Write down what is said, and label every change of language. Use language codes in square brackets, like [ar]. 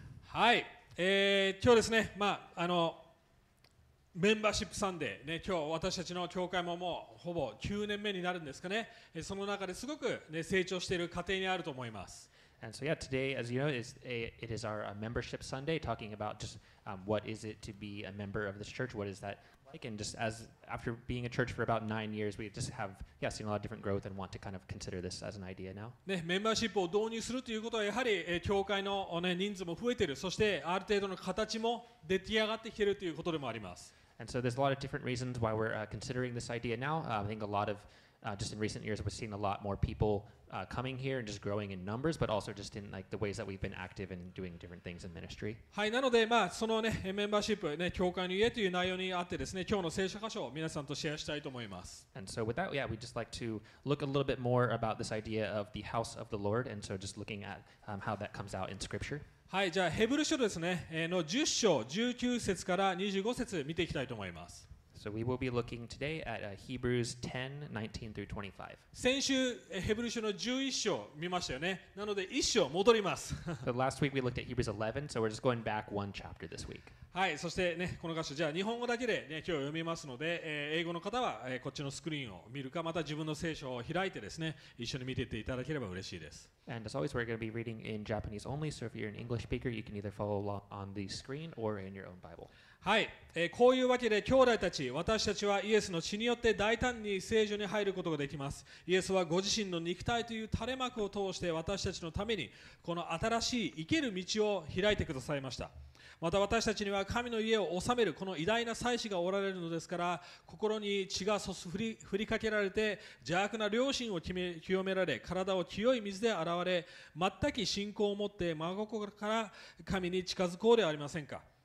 [ja] はい、今日ですね、まあ、あのメンバーシップサンデー、ね、今日私たちの教会ももうほぼ9年目になるんですかね、その中ですごく、ね、成長している過程にあると思います。 [en] And so yeah, today, as you know, it is our membership Sunday, talking about just what is it to be a member of this church? What is that like? And just as after being a church for about 9 years, we just have yeah, seen a lot of different growth and want to kind of consider this as an idea now. [ja] ね、メンバーシップを導入するということはやはり、教会の、ね、人数も増えている、そしてある程度の形も出来上がってきているということでもあります。 [en] And so there's a lot of different reasons why we're considering this idea now. I think a lot of just in recent years, we've seen a lot more people coming here and just growing in numbers, but also just in like the ways that we've been active and doing different things in ministry. [ja] はい、なので、まあ、そのね、メンバーシップ、ね、教会の家という内容にあってですね、今日の聖書箇所を皆さんとシェアしたいと思います。 [en] And so with that, yeah, we'd just like to look a little bit more about this idea of the house of the Lord, and so just looking at how that comes out in Scripture. [ja] はい、じゃあヘブル書ですね、の10章19節から25節見ていきたいと思います。 [en] So we will be looking today at Hebrews 10, 19 through 25. [ja] 先週ヘブル書の11章見ましたよね。なので1章戻ります。 [en] So last week we looked at Hebrews 11, so we're just going back one chapter this week. [ja] はい、そしてね、この箇所、じゃあ日本語だけで、ね、今日読みますので、英語の方は、こっちのスクリーンを見るか、また自分の聖書を開いてですね、一緒に見ていっていただければ嬉しいです。 [en] And as always, we're going to be reading in Japanese only, so if you're an English speaker, you can either follow along on the screen or in your own Bible. [ja] はい、こういうわけで兄弟たち、私たちはイエスの血によって大胆に聖所に入ることができます。イエスはご自身の肉体という垂れ幕を通して私たちのためにこの新しい生ける道を開いてくださいました。また私たちには神の家を治めるこの偉大な祭司がおられるのですから、心に血が振りかけられて邪悪な良心を清められ体を清い水で洗われ全く信仰を持って真心から神に近づこうではありませんか。